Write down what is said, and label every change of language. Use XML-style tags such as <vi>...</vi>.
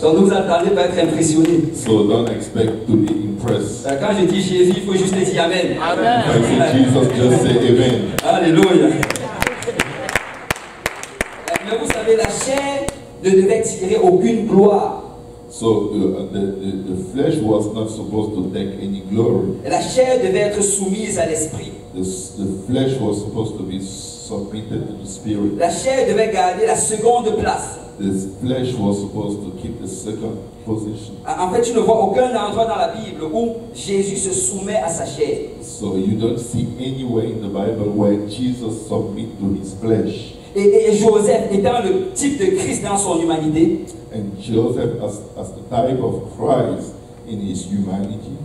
<fr>Donc vous attendez pas être impressionné.</fr> <en>So don't expect to be impressed.</en> <fr>Quand je dis Jésus, il faut juste dire amen. Amen.</fr> <en>When I say Jesus, just say amen. Alléluia.</en> <fr>Mais vous savez, la chair ne devait tirer aucune gloire.</fr> <en>So the flesh was not supposed to take any glory.</en> <fr>La chair devait être soumise à l'esprit.</fr> <en>The flesh was supposed to be submitted to the spirit.</en> <fr>La chair devait garder la seconde place.</fr> <en>The flesh was supposed to keep the second position.</en> <fr>En fait, tu ne vois aucun endroit dans la Bible où Jésus se soumet à sa chair.</fr> <en>So you don't see anywhere in the Bible where Jesus submit to his flesh.</en> <fr>Et Joseph étant le type de Christ dans son humanité.</fr> <en>And Joseph as the type of Christ in his humanity.</en>